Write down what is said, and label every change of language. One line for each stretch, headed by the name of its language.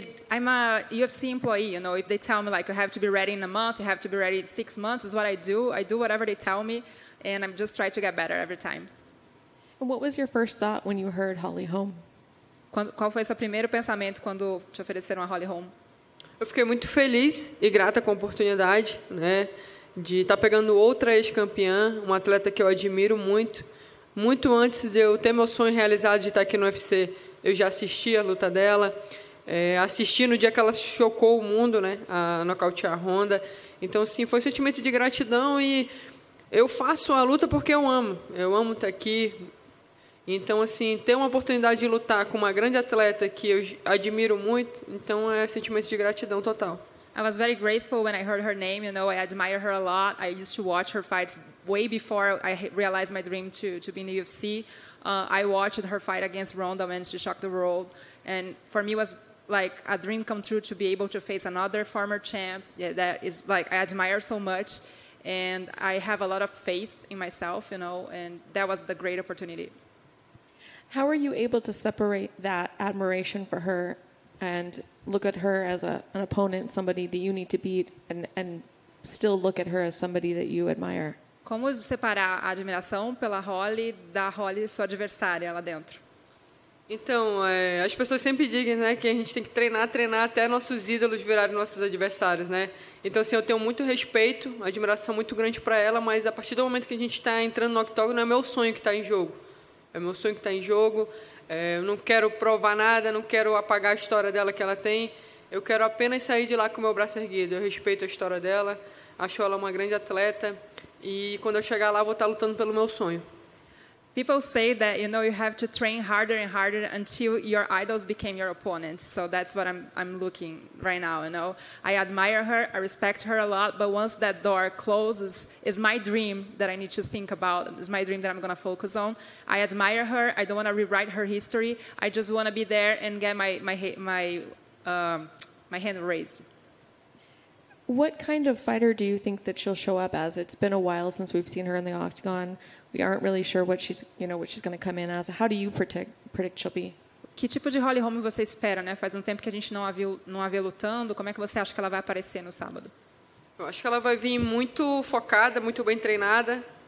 English: I'm a UFC employee, you know. If they tell me, like, you have to be ready in a month, you have to be ready in 6 months, is what I do. I do whatever they tell me, and I just try to get better every time. And what was your first thought when you heard Holly Holm?
Portuguese: Qual foi seu primeiro pensamento quando te ofereceram a Holly Holm? Eu fiquei muito feliz e grata com a oportunidade, né, de estar pegando outra ex-campeã, uma atleta que eu admiro muito. Muito antes de eu ter meu sonho realizado de estar aqui no UFC, eu já assisti a luta dela. Assisti no dia que ela chocou o mundo, né, a nocautear a Ronda. Então, sim, foi um sentimento de gratidão, e eu faço a luta porque eu amo. Eu amo estar aqui. Então, assim, ter uma oportunidade de lutar com uma grande atleta que eu admiro muito, então é um sentimento de gratidão total.
English: I was very grateful when I heard her name, you know, I admire her a lot. I used to watch her fights way before I realized my dream to be in the UFC. I watched her fight against Ronda when she shocked the world. And for me, it was like a dream come true to be able to face another former champ that is like I admire so much. And I have a lot of faith in myself, you know, and that was the great opportunity. How are you able to separate that admiration for her and look at her as an opponent, somebody that you need to beat, and still look at her as somebody that you admire?
Portuguese: Como separar a admiração pela Holly da Holly, sua adversária, lá dentro? Então, as pessoas sempre dizem, né, que a gente tem que treinar até nossos ídolos virarem nossos adversários, né? Então, assim, eu tenho muito respeito, admiração muito grande para ela, mas a partir do momento que a gente está entrando no octógono, é meu sonho que está em jogo. É meu sonho que está em jogo. Eu não quero provar nada, não quero apagar a história dela que ela tem. Eu quero apenas sair de lá com o meu braço erguido. Eu respeito a história dela, acho ela uma grande atleta. E quando eu chegar lá, eu vou estar lutando pelo meu sonho.
English: People say that, you know, you have to train harder and harder until your idols became your opponents. So that's what I'm looking right now, you know. I admire her, I respect her a lot, but once that door closes, it's my dream that I need to think about, it's my dream that I'm going to focus on. I admire her, I don't want to rewrite her history, I just want to be there and get my hand raised. What kind of fighter do you think that she'll show up as? It's been a while since we've seen her in the octagon. We aren't really sure what she's, you know, what she's going to come in as. How do you predict she'll be?
Portuguese: Que tipo de Holly Holm você espera, né? Faz tempo que a gente não a vê lutando. Como é que você acha que ela vai aparecer no sábado? Eu acho que ela vai vir muito focada, muito bem treinada.